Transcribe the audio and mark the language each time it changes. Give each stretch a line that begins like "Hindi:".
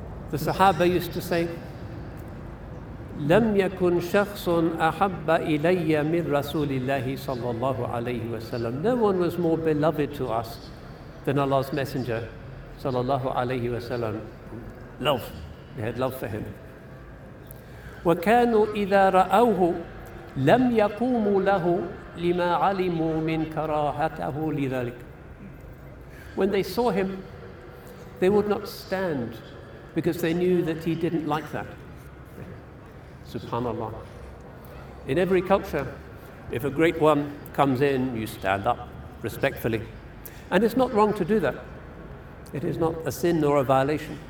English: The Sahaba used to say,
Arabic: لم يكن شخص أحب إلي من رسول الله صلى الله عليه وسلم.
English: No one was more beloved to us than Allah's Messenger, صلى الله عليه وسلم. Love, we had love for him.
Arabic: وكانوا إذا رأوه لم يقوموا له لما علموا من كراهته لذلك.
English: When they saw him, they would not stand because they knew that he didn't like that. SubhanAllah. In every culture, if a great one comes in, you stand up respectfully. And it's not wrong to do that. It is not a sin nor a violation.